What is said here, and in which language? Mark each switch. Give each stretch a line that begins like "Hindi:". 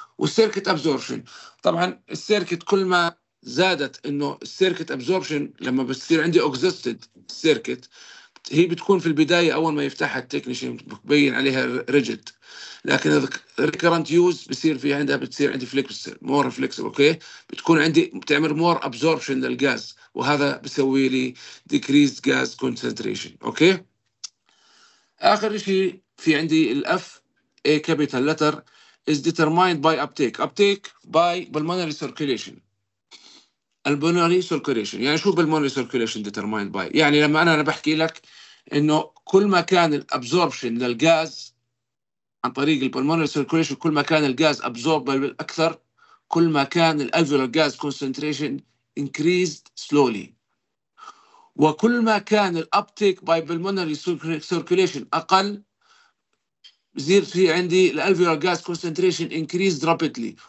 Arabic: والسيركت ابزوربشن طبعا السيركت كل ما زادت انه السيركت ابزوربشن لما بتصير عندي اكزيستد سيركت هي بتكون في البداية أول ما يفتحها التكنيشن بيبين عليها ريجيد, لكن الريكرنت يوز بيصير في عندها بتصير عندي فليكسبل مور فليكسبل أوكي, بتكون عندي بتعمل مور أبزوربشن للغاز وهذا بيسوي لي ديكريز غاز كونسنتريشن أوكي. آخر شيء في عندي الأف
English: A capital letter is determined by uptake, uptake by pulmonary circulation.
Arabic: البلمونري سيركيليشن يعني شو بالمونري سيركيليشن ديترمايند باي, يعني لما انا بحكي لك انه كل ما كان الابزوربشن للغاز عن طريق البلمونري سيركيليشن كل ما كان الغاز ابزورب اكثر كل ما كان الالفيولار غاز كونسنتريشن انكريزد سلولي, وكل ما كان الابتيك باي بالمونري سيركيليشن اقل بزيد في عندي الالفيولار غاز كونسنتريشن انكريزد رابيدلي.